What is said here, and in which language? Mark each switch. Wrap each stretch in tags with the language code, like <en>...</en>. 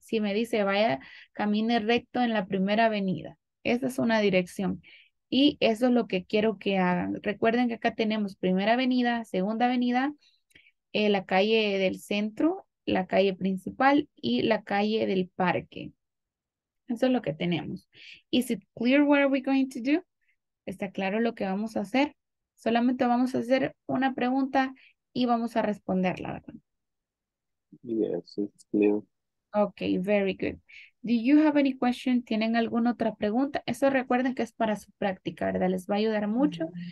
<es>Si me dice, vaya, camine recto en la primera avenida. Esa es una dirección. Y eso es lo que quiero que hagan. Recuerden que acá tenemos primera avenida, segunda avenida, la calle del centro, la calle principal y la calle del parque. Eso es lo que tenemos.</es> <en>Is it clear what are we going to do?</en> <es>¿Está claro lo que vamos a hacer? Solamente vamos a hacer una pregunta y vamos a responderla, ¿verdad?</es> <en>Yes, it's clear. Okay, very good. Do you have any question?</en> <es>¿Tienen alguna otra pregunta? Eso recuerden que es para su práctica, ¿verdad? Les va a ayudar mucho.</es>